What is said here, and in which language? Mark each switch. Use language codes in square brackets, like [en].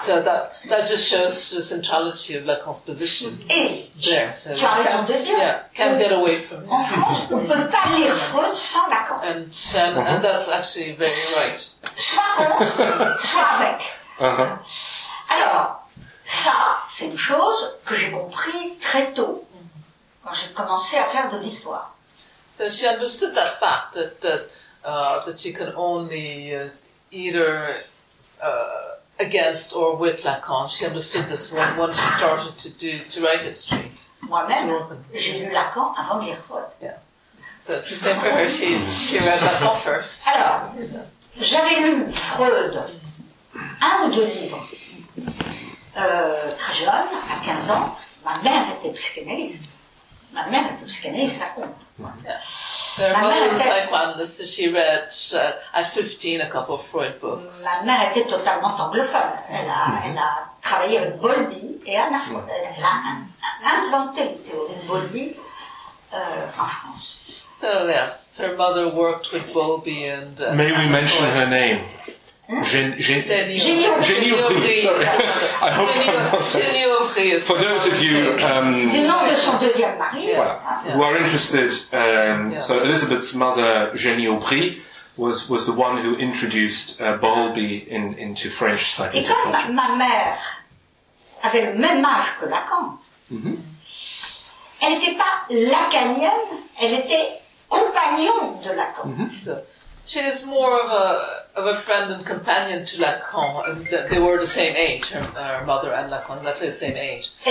[en] So that just shows the centrality of Lacan's position. [fr] Et [en] there, [fr] so tu as raison de dire. [en] Yeah, can't get away from [fr] en France, on ne peut pas lire Freud sans Lacan. [en] And that's actually very right. [fr] Soit contre, soit avec. Alors, ça, c'est une chose que j'ai compris très tôt, quand j'ai commencé à faire de l'histoire. [en] So she understood that fact, that she can only either... against or with Lacan. She understood this once she started to write history. [fr] Moi-même, j'ai lu Lacan avant de lire Freud. [en] Yeah. So it's the same for her, she read Lacan first. [fr] Alors, j'avais lu Freud un ou deux livres très jeune, à 15 ans. Ma mère était psychanalyste. Ma mère était psychanalyste, ça compte. [en] Yeah. Her mother was a psychoanalyst, so she read at 15 a couple of Freud books. [fr] Ma mère était totalement anglophone. Elle a travaillé avec Bowlby et Anna Freud. Elle a inventé la théorie de Bowlby en France. [en] So, yes, her mother worked with Bowlby and. May we mention her name? Jenny Aubry, sorry. I hope I'm not Jenny Aubry. For those of you, [fr] du nom de son son deuxième mari. [en] Yeah. Voilà. Yeah. Who are interested? Yeah. So Elizabeth's mother, Jenny Aubry, was the one who introduced Bowlby into French psychology. [fr] Et comme ma mère avait le même âge que Lacan, mm-hmm. elle n'était pas lacanienne, elle était compagnon de Lacan. Mm-hmm. [en] She is more of a friend and companion to Lacan. They were the same age, her mother and Lacan, exactly the same age.